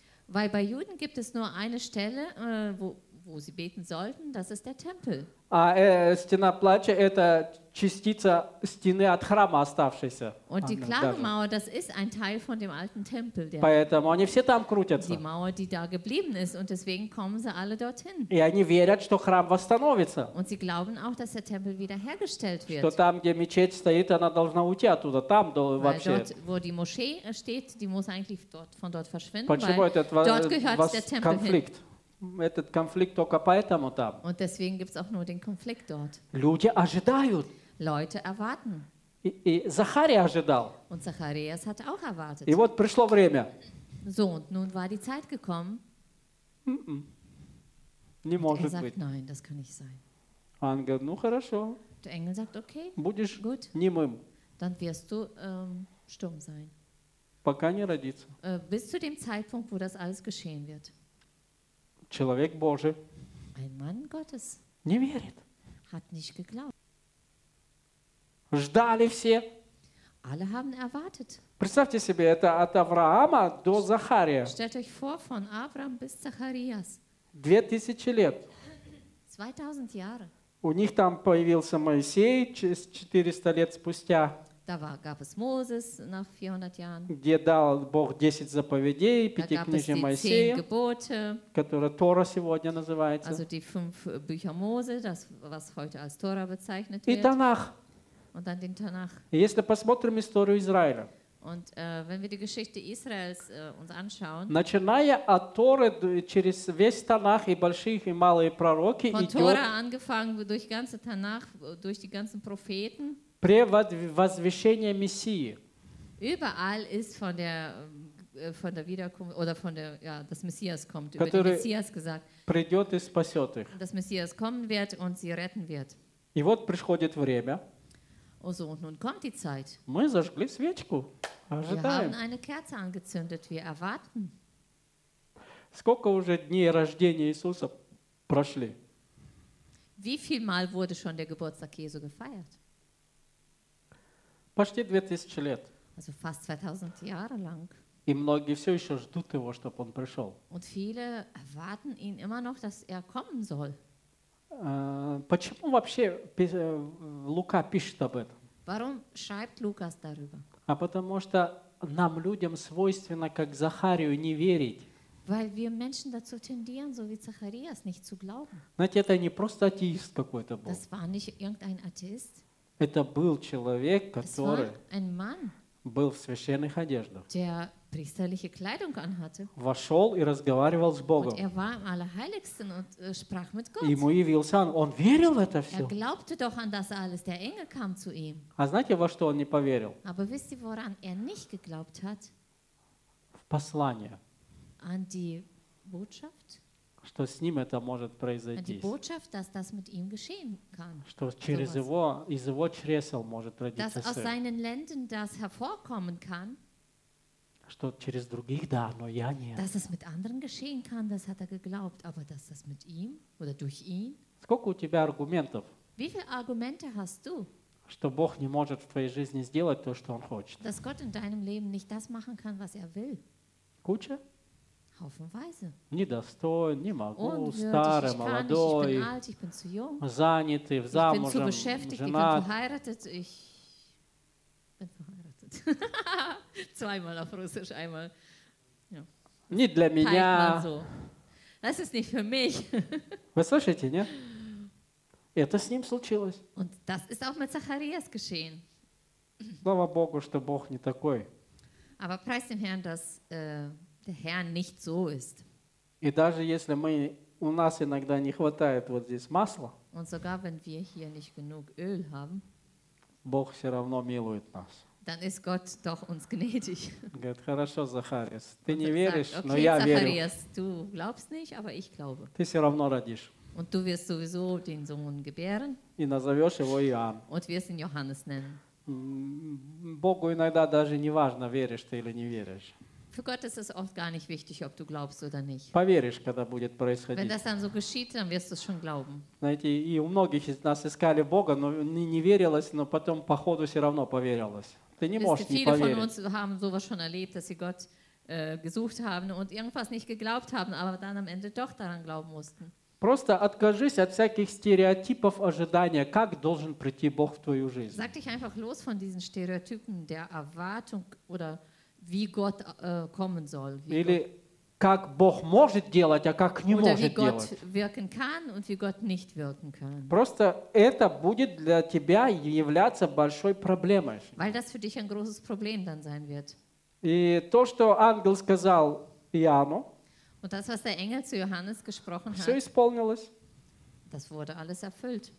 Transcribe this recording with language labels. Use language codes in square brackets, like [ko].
[de] Weil bei Juden gibt es nur eine Stelle, wo sie beten sollten, das ist der Tempel. [ru] Стена плача – это частица стены от храма оставшейся. [de] Und die Klagemauer, das ist ein Teil von dem alten Tempel. Der [ru] поэтому они все там крутятся. [de] Die Mauer, die da geblieben ist, und deswegen kommen sie alle dorthin. [ru] И они верят, что храм восстановится. [de] Und sie glauben auch, dass der Tempel wiederhergestellt wird. [ru] Что там, где мечеть стоит, она должна уйти оттуда, там вообще. [de] Weil dort, wo die Moschee steht, die muss eigentlich dort, von dort verschwinden, [ru] почему [de] weil [ru] этот, [de] dort gehört was der Tempel [ru] конфликт? [de] Hin. [ru] Этот конфликт только поэтому там. [de] Und deswegen gibt's auch nur den Konflikt dort. [ru] Люди ожидают. [de] Leute erwarten. [ru] И Захария ожидал. [de] Und Zacharias hat auch erwartet. [ru] И вот пришло время. [de] So, und nun war die Zeit gekommen. [ru] Не может [de] sagt, [ru] быть. [de] Nein, das kann nicht sein. [ru] Ангел, ну хорошо. [de] Der Engel sagt, okay. [ru] Будешь немым. [de] Dann wirst du stumm sein. [ru] пока не родится. [de] Bis zu dem Zeitpunkt, wo das alles geschehen wird. [ru] Человек Божий. [de] Ein Mann Gottes. [ru] Не верит. [de] Hat nicht geglaubt. [ru] Ждали все. [de] Alle haben erwartet. [ru] Представьте себе, это от Авраама до Захария. [de] Stellt euch vor, von Abraham bis Zacharias. [ru] 2000 лет. [de] 2000 Jahre. [ru] У них там появился Моисей 400 лет спустя. [de] Da war, gab es Moses nach 400 Jahren. [ru] Где дал Бог 10 заповедей, пятикнижие Моисея, [de] Gebote, [ru] которая Тора сегодня называется. [de] Also die fünf Bücher Mose, das, was heute als Tora bezeichnet wird. [ru] И Танах. [de] Und dann den Tanach. [ru] Если посмотрим историю Израиля. [de] Und wenn wir die Geschichte Israels uns anschauen. [ru] Начиная от Торы через весь Танах и большие и малые пророки идёт. [de] Von Tora angefangen durch ganze Tanach, durch die ganzen Propheten. [ru] Превозвещение Мессии. [de] Überall ist von der Wiederkunft oder von der ja, dass Messias kommt, über den Messias gesagt. [ru] Придёт и спасёт их. [de] Dass Messias kommen wird und sie retten wird. [ru] И вот приходит время. [de] Also, und nun kommt die Zeit. [ru] Мы зажгли свечку. Ожидаем. [de] Wir haben eine Kerze angezündet. Wir erwarten. [ru] Сколько уже дней рождения Иисуса прошли? [de] Wie viel Mal wurde schon der Geburtstag Jesu gefeiert? [ru] Почти 2000 лет. [de] Also fast 2000 Jahre lang. [ru] И многие все еще ждут его, чтобы он пришел. [de] Und viele erwarten ihn immer noch, dass er kommen soll. [ru] Почему вообще Лука пишет об этом? [de] Warum schreibt Lukas darüber? [ru] А потому что нам людям свойственно, как Захарию, не верить. [de] Weil wir Menschen dazu tendieren, so wie Zacharias, nicht zu glauben. [ru] Знаете, это не просто атеист какой-то был. [de] Das war nicht irgendein Atheist. [ru] Это был человек, который [de] Es war ein Mann, [ru] был в священных одеждах. [de] Der priesterliche Kleidung anhatte. [ru] Вошел и разговаривал с Богом. [de] Und er war im Allerheiligsten und sprach mit Gott. [ru] Ему явился ангел. Он верил в это все. [de] Er glaubte doch an das alles. Der Engel kam zu ihm. [ru] А знаете, во что он не поверил? [de] Aber wisst ihr, woran er nicht geglaubt hat? [ru] В послание. [de] An die Botschaft. [ru] Что с ним это может произойти. [de] An die Botschaft, dass das mit ihm geschehen kann. [ru] Что через [de] sowas. [ru] Его, из его чресел может родиться сын. [de] Dass aus seinen Lenden das hervorkommen kann. [ru] Что через других, да, но я нет. [de] Dass es mit anderen geschehen kann, das hat er geglaubt. Aber dass das mit ihm oder durch ihn? [ru] Сколько у тебя аргументов? [de] Wie viele Argumente hast du? [ru] Что Бог не может в твоей жизни сделать то, что Он хочет. [de] Dass Gott in deinem Leben nicht das machen kann, was er will. [ru] Куча? [de] Haufenweise. [ru] Недостоин, не могу, старый, молодой. [de] Ich bin alt, ich bin zu jung. [ru] Занятый, в замужем, [de] ich bin zu beschäftigt, [ru] женат. [de] Ich bin verheiratet, ich bin verheiratet. Zweimal auf Russisch, einmal. Ja. Nicht [ru] для меня. [de] Das ist nicht für mich. [ru] Вы слышите, нет? Это с ним случилось. [de] Und das ist auch mit Zacharias geschehen. [ru] Слава Богу, что Бог не такой. [de] Aber preis dem Herrn, dass der Herr nicht so ist. [ru] И даже если мы у нас иногда не хватает вот здесь масла. [de] Und sogar wenn wir hier nicht genug Öl haben. [ru] Бог все равно милует нас. [de] Dann ist Gott doch uns gnädig. [ru] Говорит, хорошо, Захарис, ты не веришь, [de] sagt, okay, [ru] но я верю. [de] Zacharias, du glaubst nicht, aber ich glaube. [ru] Ты все равно родишь. [de] Und du wirst sowieso den Sohn gebären. [ru] И назовешь его Иоанн. [de] Und wirst ihn Johannes nennen. [ru] Богу иногда даже не важно, веришь ты или не веришь. [de] Für Gott ist es oft gar nicht wichtig, ob du glaubst oder nicht. [ru] Поверишь, когда будет происходить. [de] Wenn das dann so geschieht, dann wirst du es schon glauben. [ru] Знаете, и у многих из нас искали Бога, но не верилось, но потом по ходу все равно поверилось. [de] Viele von uns haben sowas schon erlebt, dass sie Gott gesucht haben und irgendwas nicht geglaubt haben, aber dann am Ende doch daran glauben mussten. [ru] Просто откажись от всяких стереотипов ожидания, как должен прийти Бог в твою жизнь. [de] Sag dich einfach los von diesen Stereotypen der Erwartung oder wie Gott kommen soll. [ru] Или как Бог может делать, а как не может делать. [de] Oder wie Gott wirken kann und wie Gott nicht wirken kann. [ru] Просто это будет для тебя являться большой проблемой. [de] Weil das für dich ein großes Problem dann sein wird. [ru] И то, что ангел сказал Иоанну, [de] und das, was der Engel zu Johannes gesprochen [ru] все исполнилось. [de] Das wurde alles erfüllt.